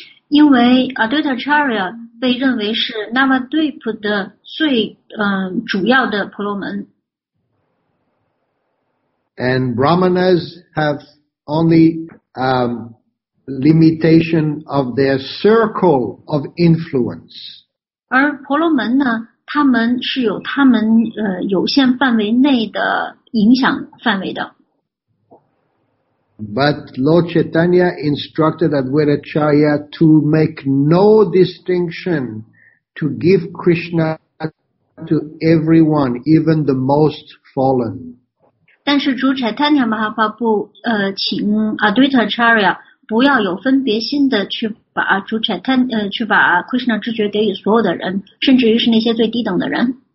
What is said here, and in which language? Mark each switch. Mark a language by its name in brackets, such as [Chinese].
[Chinese] 因为 Advaita Acharya 被认为是 Navadvip 的最主要的婆罗门。 [English] And Brahmanas have only limitation of their circle of influence. [Chinese] 而婆罗门呢，他们是有他们有限范围内的影响范围的。 [English] But Lord Chaitanya instructed Advaita Acharya to make no distinction, to give Krishna to everyone, even the most fallen. [Chinese] 但是主 Chaitanya Mahaprabhu 请 Advaita Acharya不要有分别心的去把主 Chaitanya 去把 Krishna 知觉给予所有的人，甚至于是那些最低等的人。